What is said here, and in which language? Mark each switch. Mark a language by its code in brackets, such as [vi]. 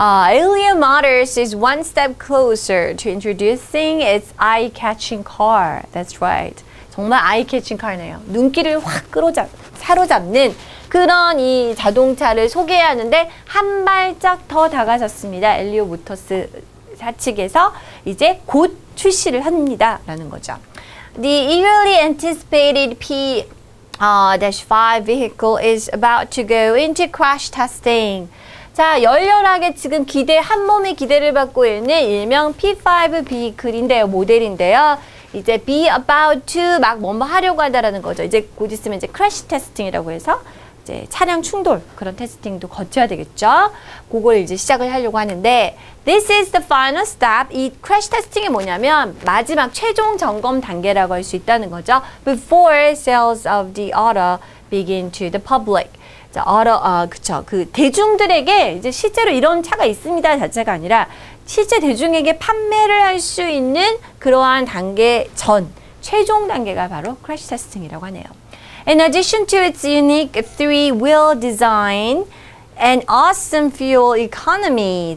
[en] Alien Motors is one step closer to introducing its eye-catching car. That's right. [ko] 정말 [en] eye-catching car [ko] 네요. 눈길을 확 사로잡는 그런 이 자동차를 소개하는데 한 발짝 더 다가섰습니다. 엘리오 모터스 사측에서 이제 곧 출시를 합니다. 라는 거죠. [en] The eagerly anticipated P-5 vehicle is about to go into crash testing. [ko] 자, 열렬하게 지금 기대, 한 몸의 기대를 받고 있는 일명 P5 비클인데요, 모델인데요. 이제 [en] be about to [ko] 막 뭐뭐 하려고 한다라는 거죠. 이제 곧 있으면 이제 크래시 테스팅이라고 해서 이제 차량 충돌 그런 테스팅도 거쳐야 되겠죠. 그걸 이제 시작을 하려고 하는데 [en] this is the final step. [ko] 이 크래시 테스팅이 뭐냐면 마지막 최종 점검 단계라고 할 수 있다는 거죠. [en] Before sales of the auto begin to the public. [ko] 자, 그 대중들에게 이제 실제로 이런 차가 있습니다 자체가 아니라 실제 대중에게 판매를 할 수 있는 그러한 단계 전 최종 단계가 바로 크래시 테스팅이라고 하네요. [en] In addition to its unique three-wheel design and awesome fuel economy.